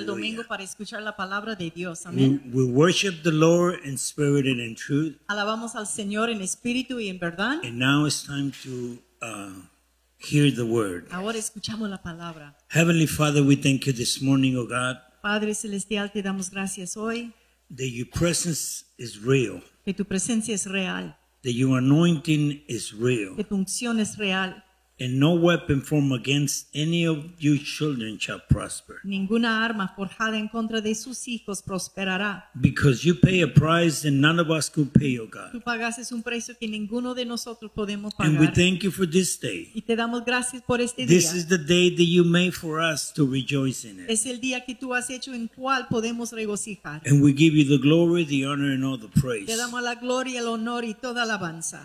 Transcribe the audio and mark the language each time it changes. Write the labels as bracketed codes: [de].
[es] El domingo para escuchar la palabra de Dios. [en] Amen. We worship the Lord in spirit and in truth. [es] Alabamos al Señor en espíritu y en verdad. [en] And now it's time to hear the word. [es] Ahora escuchamos la palabra. [en] Heavenly Father, we thank you this morning, oh God. [es] Padre celestial, te damos gracias hoy. [en] That your presence is real. [es] Que tu presencia es real. [en] That your anointing is real. [es] Que tu unción es real. [en] And no weapon formed against any of your children shall prosper. [es] Ninguna arma forjada en contra de sus hijos prosperará. [en] Because you pay a price that none of us could pay, oh God. [es] Tú pagaste un precio que ninguno de nosotros podemos pagar. [en] And we thank you for this day. [es] Y te damos gracias por este día. [en] This is the day that you made for us to rejoice in it. [es] Es el día que tú has hecho en cual podemos regocijar. [en] And we give you the glory, the honor, and all the praise. [es] Te damos la gloria, el honor y toda alabanza.